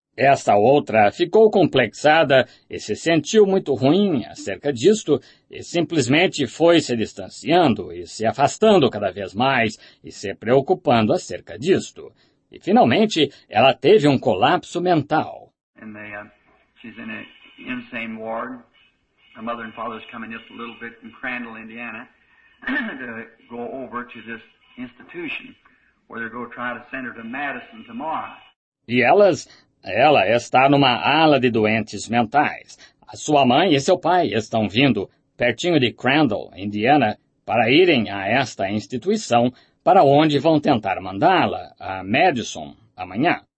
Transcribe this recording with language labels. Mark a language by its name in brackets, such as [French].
[Portuguese] Esta outra ficou complexada e se sentiu muito ruim acerca disto e simplesmente foi se distanciando e se afastando cada vez mais e se preocupando acerca disto. E finalmente ela teve um colapso mental. [English] And they, she's in an insane ward. Her mother and father's coming just a little bit from Crandall, Indiana, to go over to this institution where they're going to try to send her to Madison tomorrow. [Portuguese] E ela está numa ala de doentes mentais. A sua mãe e seu pai estão vindo pertinho de Crandall, Indiana, para irem a esta instituição para onde vão tentar mandá-la, a Madison, amanhã.